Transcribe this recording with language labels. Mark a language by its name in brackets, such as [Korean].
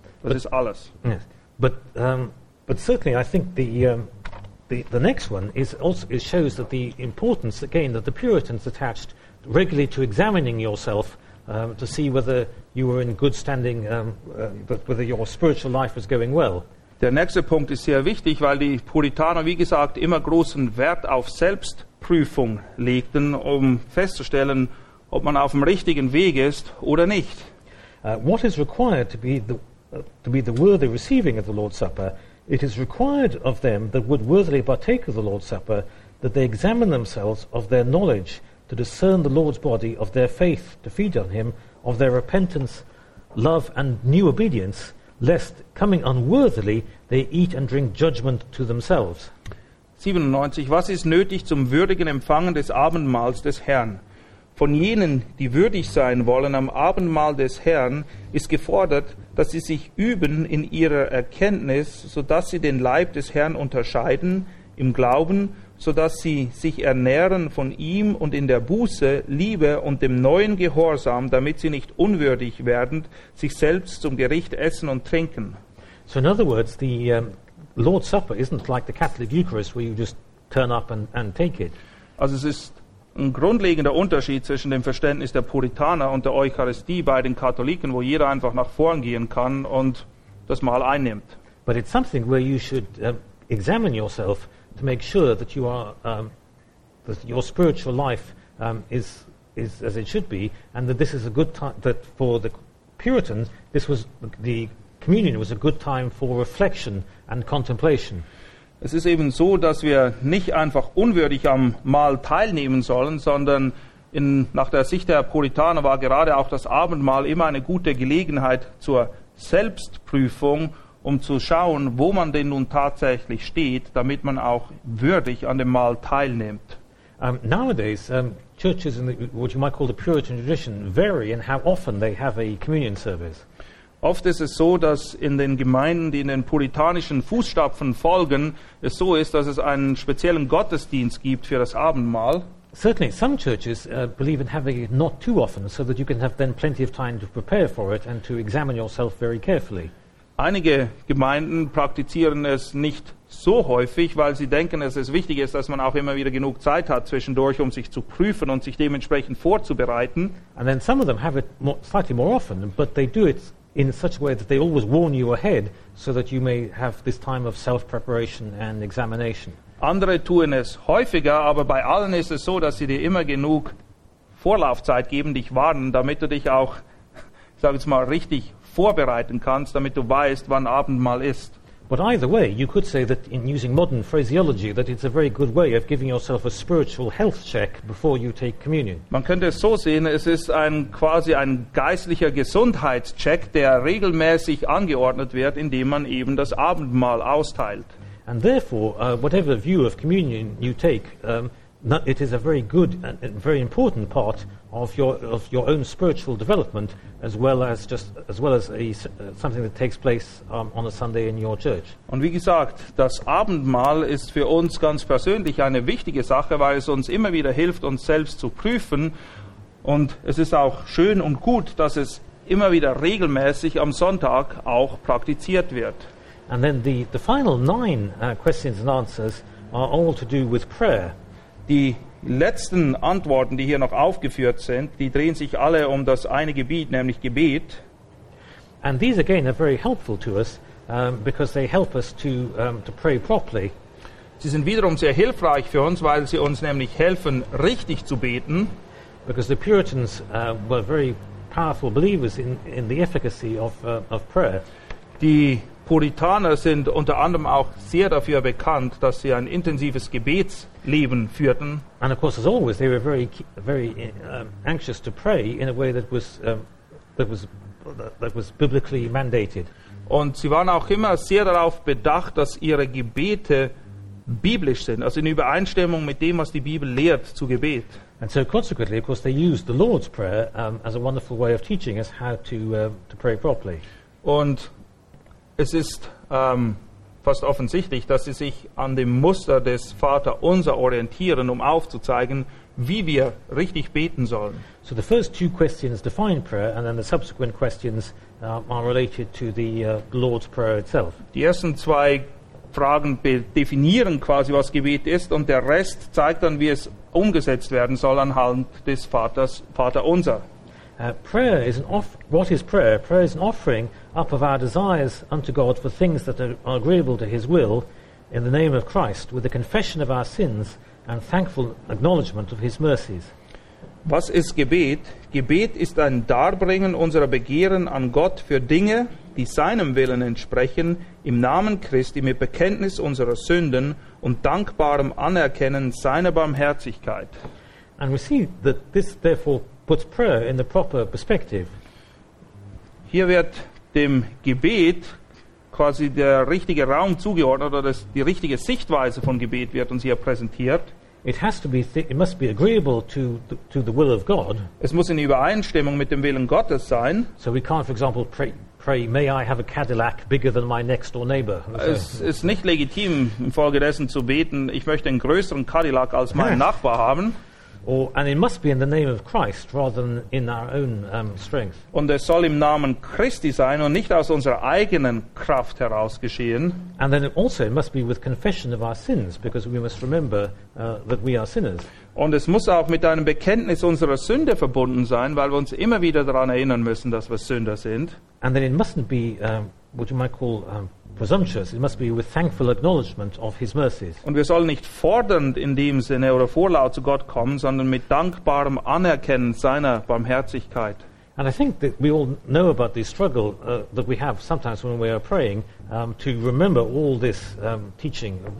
[German] Das ist alles. [English] Yes. But certainly I think the next one shows that the importance again that the Puritans attached regularly to examining yourself to see whether you were in good standing, whether your spiritual life was going well. [German] Der nächste Punkt ist sehr wichtig, weil die Puritaner, wie gesagt, immer großen Wert auf Selbstprüfung legten, um festzustellen, ob man auf dem richtigen Weg ist oder nicht. [English] What is required to be the worthy receiving of the Lord's Supper? It is required of them that would worthily partake of the Lord's Supper that they examine themselves of their knowledge to discern the Lord's body, of their faith to feed on him, of their repentance, love, and new obedience, lest coming unworthily they eat and drink judgment to themselves. 97. [German] Was ist nötig zum würdigen Empfangen des Abendmahls des Herrn? Von jenen, die würdig sein wollen am Abendmahl des Herrn, ist gefordert, dass sie sich üben in ihrer Erkenntnis, sodass sie den Leib des Herrn unterscheiden im Glauben, sodass sie sich ernähren von ihm und in der Buße, Liebe und dem neuen Gehorsam, damit sie nicht unwürdig werden, sich selbst zum Gericht essen und trinken. [English] So in other words, the Lord's Supper isn't like the Catholic Eucharist, where you just turn up and take it. [German] Also es ist ein grundlegender Unterschied zwischen dem Verständnis der Puritaner und der Eucharistie bei den Katholiken, wo jeder einfach nach vorn gehen kann und das Mahl einnimmt. [English] But it's something where you should examine yourself to make sure that you are that your spiritual life is as it should be, and that this is a good time that for the Puritans this was the communion was a good time for reflection and contemplation. [German] Es ist eben so, dass wir nicht einfach unwürdig am Mahl teilnehmen sollen, sondern nach der Sicht der Puritaner war gerade auch das Abendmahl immer eine gute Gelegenheit zur Selbstprüfung, um zu schauen, wo man denn nun tatsächlich steht, damit man auch würdig an dem Mahl teilnimmt. [English] Nowadays, churches in what you might call the Puritan tradition vary in how often they have a communion service. [German] Oft ist es so, dass in den Gemeinden, die in den puritanischen Fußstapfen folgen, es so ist, dass es einen speziellen Gottesdienst gibt für das Abendmahl. [English] Certainly, some churches believe in having it not too often, so that you can have then plenty of time to prepare for it and to examine yourself very carefully. [German] Einige Gemeinden praktizieren es nicht so häufig, weil sie denken, dass es wichtig ist, dass man auch immer wieder genug Zeit hat zwischendurch, um sich zu prüfen und sich dementsprechend vorzubereiten. [English] And then some of them have it slightly more often, but they do it in such a way that they always warn you ahead, so that you may have this time of self-preparation and examination. [German] Andere tun es häufiger, aber bei allen ist es so, dass sie dir immer genug Vorlaufzeit geben, dich warnen, damit du dich auch, sag ich mal, richtig vorbereiten kannst, damit du weißt, wann Abendmahl ist. [English] But either way, you could say that in using modern phraseology, that it's a very good way of giving yourself a spiritual health check before you take communion. [German] Man könnte es so sehen, es ist quasi ein geistlicher Gesundheitscheck, der regelmäßig angeordnet wird, indem man eben das Abendmahl austeilt. [English] And therefore, whatever view of communion you take, it is a very good and very important part of your own spiritual development, as well as something that takes place on a Sunday in your church. [German] Und wie gesagt, das Abendmahl ist für uns ganz persönlich eine wichtige Sache, weil es uns immer wieder hilft, uns selbst zu prüfen. Und es ist auch schön und gut, dass es immer wieder regelmäßig am Sonntag auch praktiziert wird. [English] And then the final nine questions and answers are all to do with prayer. [German] Die letzten Antworten, die hier noch aufgeführt sind, die drehen sich alle um das eine Gebiet, nämlich Gebet. [English] And these again are very helpful to us because they help us to pray properly. [German] Sie sind wiederum sehr hilfreich für uns, weil sie uns nämlich helfen, richtig zu beten. [English] Because the Puritans were very powerful believers in the efficacy of prayer. [German] Die Puritaner sind unter anderem auch sehr dafür bekannt, dass sie ein intensives Gebetsleben führten. [English] And of course, as always, they were very, very anxious to pray in a way that was biblically mandated. [German] Und sie waren auch immer sehr darauf bedacht, dass ihre Gebete biblisch sind, also in Übereinstimmung mit dem, was die Bibel lehrt zu Gebet. [English] And so consequently, of course, they used the Lord's Prayer as a wonderful way of teaching us how to pray properly. [German] Und es ist fast offensichtlich, dass sie sich an dem Muster des Vaterunser orientieren, um aufzuzeigen, wie wir richtig beten sollen. [English] So the first two questions define prayer, and then the subsequent questions are related to the Lord's Prayer itself. [German] Die ersten zwei Fragen definieren quasi, was Gebet ist, und der Rest zeigt dann, wie es umgesetzt werden soll anhand des Vaterunser. [English] What is prayer? Prayer is an offering up of our desires unto God for things that are agreeable to His will, in the name of Christ, with the confession of our sins and thankful acknowledgement of His mercies. [German] Was ist Gebet? Gebet ist ein Darbringen unserer Begehren an Gott für Dinge, die seinem Willen entsprechen, im Namen Christi mit Bekenntnis unserer Sünden und dankbarem Anerkennen seiner Barmherzigkeit. [English] And we see that this therefore puts prayer in the proper perspective. [German] Hier wird dem Gebet quasi der richtige Raum zugeordnet, oder das, die richtige Sichtweise von Gebet wird uns hier präsentiert. [English] It must be agreeable to the will of God. [German] Es muss in Übereinstimmung mit dem Willen Gottes sein. [English] So we can't, for example, pray, may I have a Cadillac bigger than my next door neighbor? [German] Es ist nicht legitim, infolgedessen zu beten, ich möchte einen größeren Cadillac als mein Nachbar haben. [English] And it must be in the name of Christ rather than in our own strength. [German] Und es soll im Namen Christi sein und nicht aus unserer eigenen Kraft heraus geschehen. [English] And then also it must be with confession of our sins, because we must remember that we are sinners. [German] Und es muss auch mit einem Bekenntnis unserer Sünde verbunden sein, weil wir uns immer wieder daran erinnern müssen, dass wir Sünder sind. [English] And then it mustn't be what you might call presumptuous, it must be with thankful acknowledgement of His mercies. [German] Und wir sollen nicht fordernd in dem Sinne oder vorlaut zu Gott kommen, sondern mit dankbarem Anerkennen seiner Barmherzigkeit. [English] And I think that we all know about the struggle that we have sometimes when we are praying to remember all this teaching.